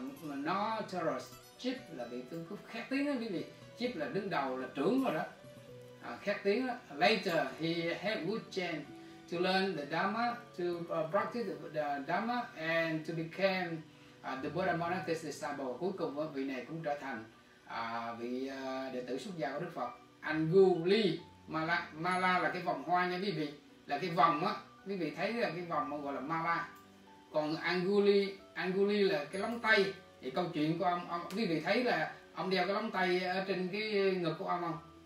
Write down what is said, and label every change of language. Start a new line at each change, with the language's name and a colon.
English: Notorious chief
Vietnamese: là vị tướng cướp khét tiếng đó quý vị. Chief là đứng đầu, là trưởng rồi đó. Khét tiếng đó.
English: Later he had good chance to learn the Dharma, to practice the Dharma and to become the Buddha monk as disciple.
Vietnamese: Cuối cùng vị này cũng trở thành vị đệ tử xuất gia của Đức Phật. Angulimala, mala là cái vòng hoa nha quý vị, là cái vòng á, quý vị thấy là cái vòng mà gọi là mala. Còn anguli là cái lóng tay. Thì câu chuyện của ông quý vị thấy là ông đeo cái lóng tay ở trên cái ngực của ông không?